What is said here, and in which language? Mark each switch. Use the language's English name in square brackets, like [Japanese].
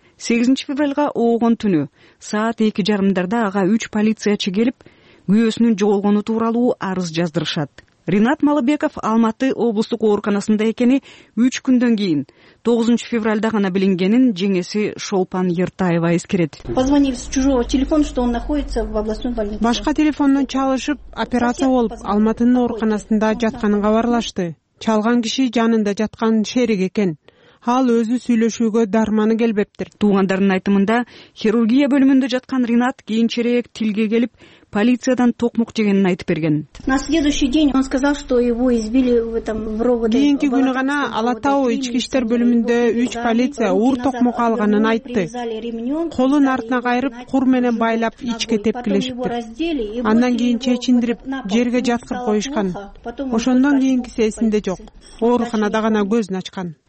[Kyrgyz] 8 февралга ооган түнү саат 2:30 ага 3 полициячы келип, күйөөсүнүн жоголгону тууралуу арыз жаздырышат. Ринат Малыбеков Алматы облустук ооруканасында экени 3 күндөн кийин 9 февралда гана билингенин жеңеси Шолпан Ертаева эскерет. [Russian] Позвонили с чужого телефона, что он находится в областной больнице. [Kyrgyz] Башка телефондон чалышып, операция болуп, Алматынын ооруканасында жатканын кабарлашты. Чалган киши жанында жаткан шерик экен. ал өзү сүйлөшүүгө дарманы келбептир. Туугандардын айтымында хирургия бөлүмүндө жаткан Ринат кийинчерээк тилге келип полициядан токмок жегенин айтып берген. [Russian] На следующий день он сказал, что его избили в этом в рогу. [Kyrgyz] Кийинки күнү гана Алатау ички иштер бөлүмүндө 3 полиция ур токмок алганын айтты. Колун артына кайрып, кур менен байлап, ичке тепкилешиптир. Андан кийин чечиндирип, жерге жаткырып коюшкан. Ошондон кийинкиси эсинде жок. Ооруканада гана көзүн ачкан.